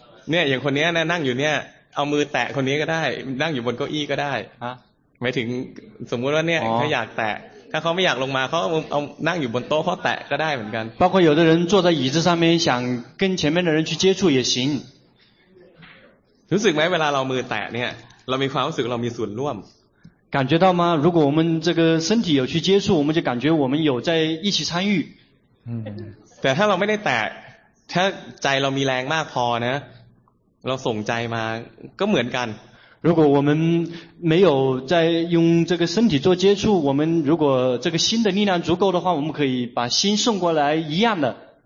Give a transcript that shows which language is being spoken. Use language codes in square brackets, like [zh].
[th] เนี่ยอย่างคนนี้นะนั่งอยู่เนี่ยเอามือแตะคนนี้ก็ได้นั่งอยู่บนเก้าอี้ก็ได้ ฮะ หมายถึงสมมติว่าเนี่ยเขาอยากแตะถ้าเขาไม่อยากลงมาเขาเอานั่งอยู่บนโต๊ะเขาแตะก็ได้เหมือนกัน [zh] 包括有的人坐在椅子上面想跟前面的人去接触也行 [th] รู้สึกไหมเวลาเรามือแตะเนี่ยเรามีความรู้สึกเรามีส่วนร่วม [zh] 感觉到吗如果我们这个身体有去接触我们就感觉我们有在一起参与 [th] แต่ถ้าเราไม่ได้แตะถ้าใจเรามีแรงมากพอนะเราส่งใจมาก็เหมือนกัน [zh] 如果我们没有在用这个身体做接触我们如果这个心的力量足够的话我们可以把心送过来一样的